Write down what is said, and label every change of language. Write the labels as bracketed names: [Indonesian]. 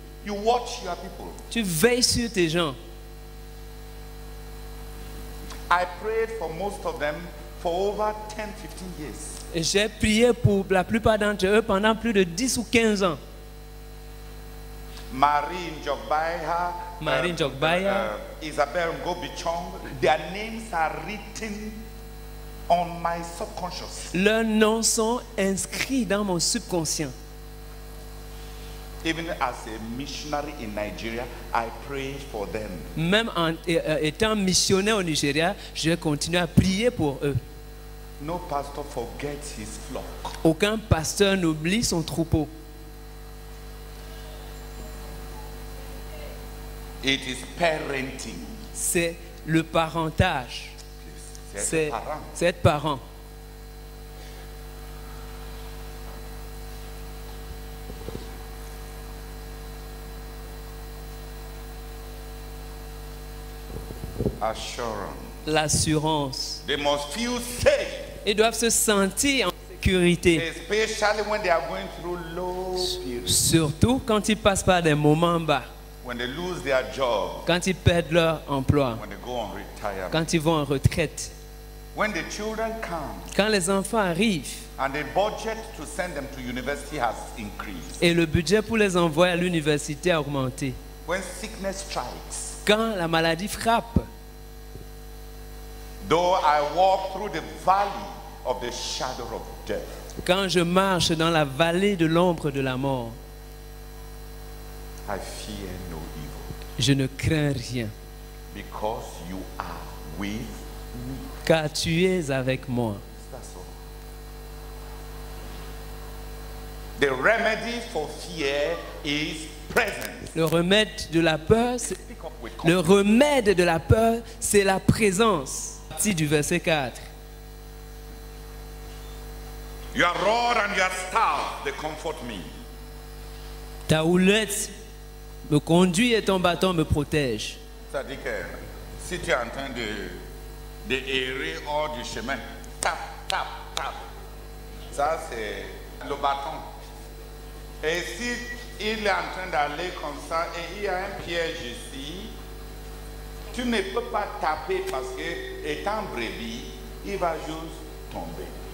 [English] You watch your people. [French] Tu veilles sur tes gens. [English] I prayed for most of them for over 10, 15 years. [French] J'ai prié pour la plupart d'entre eux pendant plus de 10 ou 15 ans. [English] Marie Njogbaya, [French] Marie Njogbaya, [English] Isabel Ngobichong, their names are written on my subconscious. [French] Leurs noms sont inscrits dans mon subconscient. [English] Even as a missionary in Nigeria, I pray for them. [French] Même en étant missionnaire au Nigeria, je continue à prier pour eux. [English] No pastor forgets his flock. [French] Aucun pasteur n'oublie son troupeau. [English] It is parenting. [French] C'est le parentage. C'est être parent. C'est être parent. [English] Assurance. [French] L'assurance. [English] They must feel safe. [French] Ils doivent se sentir en sécurité. [English] Especially when they are going through low periods. [French] Surtout quand ils passent par des moments bas. [English] When they lose their job. [French] Quand ils perdent leur emploi. [English] When they go on retirement. [French] Quand ils vont en retraite. [English] When the children come. [French] Quand les enfants arrivent. [English] And the budget to send them to university has increased. [French] Et le budget pour les envoyer à l'université a augmenté. [English] When sickness strikes. [French] Quand la maladie frappe. [English] Though I walk through the valley of the shadow of death. [French] Quand je marche dans la vallée de l'ombre de la mort. [English] I fear no evil. [French] Je ne crains rien. [English] Because you are with me. [French] Car tu es avec moi. [English] The remedy for fear is presence. [French] Le remède de la peur, c'est la présence. Du verset 4. [English] Your rod and your staff, they comfort me. [French] Ta houlette me conduit et ton bâton me protège. Ça dit que si tu es en train de errer hors du chemin, tap, tap, tap. Ça, c'est le bâton. Et si il est en train d'aller comme ça et il y a un piège ici, tu ne peux pas taper parce que, étant brebis, il va juste tomber.